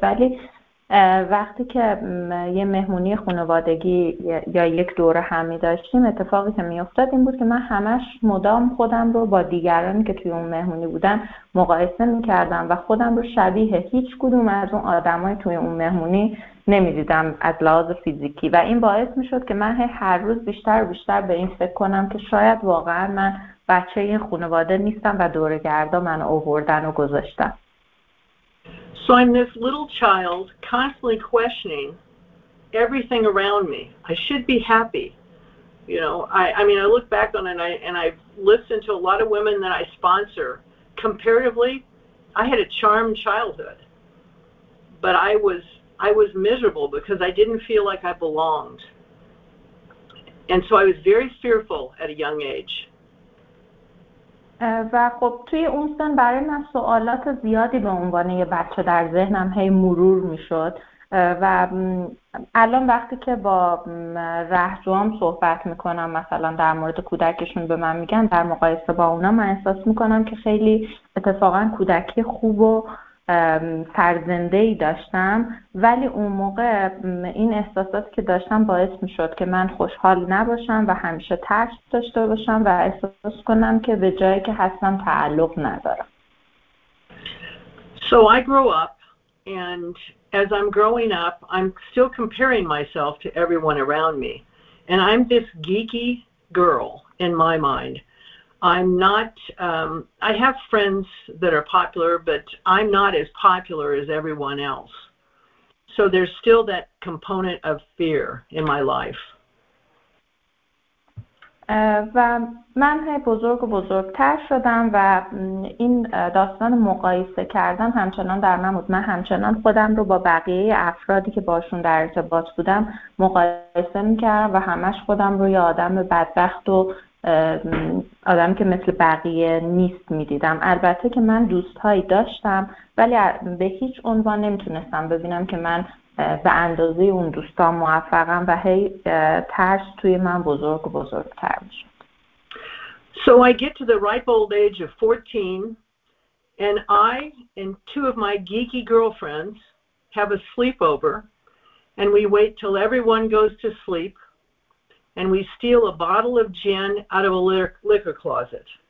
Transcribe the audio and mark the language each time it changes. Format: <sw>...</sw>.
<fa>ولی وقتی که یه مهمونی خانوادگی یا یک دوره همی داشتیم، اتفاقی که میافتاد این بود که من همش مدام خودم رو با دیگرانی که توی اون مهمونی بودن مقایسه میکردم و خودم رو شبیه هیچ کدوم از اون آدم های توی اون مهمونی نمیدیدم از لحاظ فیزیکی و این باعث میشد که من هر روز بیشتر و بیشتر به این فکر کنم که شاید واقعا من بچه این خانواده نیستم و دور گردا من آوردن و گذاشتن.</fa> <en>So I'm this little child constantly questioning everything around me. I should be happy. You know, I mean, I look back on it and I've listened to a lot of women that I sponsor. Comparatively, I had a charmed childhood. But I was miserable because I didn't feel like I belonged. And so I was very fearful at a young age.</en> <fa>و خب توی اون سن برای من سوالات زیادی به عنوان یه بچه در ذهنم هی مرور میشد و الان وقتی که با رهجوام صحبت میکنم، مثلا در مورد کودکشون به من میگن، در مقایسه با اونا من احساس میکنم که خیلی اتفاقا کودکی خوب و سرزنده‌ای داشتم، ولی اون موقع این احساساتی که داشتم باعث میشد که من خوشحال نباشم و همیشه ترس داشته باشم و احساس کنم که به جایی که هستم تعلق ندارم.</fa> <en>So I grow up and as I'm growing up I'm still comparing myself to everyone around me and I'm this geeky girl in my mind. I'm not, I have friends that are popular, but I'm not as popular as everyone else. So there's still that component of fear in my life.</en> <fa>و من هی بزرگ و بزرگتر شدم و این داستان مقایسه کردن همچنان در من بود. من همچنان خودم رو با بقیه افرادی که باشون در ارتباط بودم مقایسه میکردم و همش خودم رو یه آدم بدبخت و آدمی که مثل بقیه نیست میدیدم. البته که من دوستهایی داشتم ولی به هیچ عنوان نمیتونستم ببینم که من به اندازه اون دوستان موفقم و هی ترس توی من بزرگ و بزرگتر میشد.</fa> <en>So I get to the ripe old age of 14 and I and two of my geeky girlfriends have a sleepover and we wait till everyone goes to sleep and we steal a bottle of gin out of a liquor closet.</en>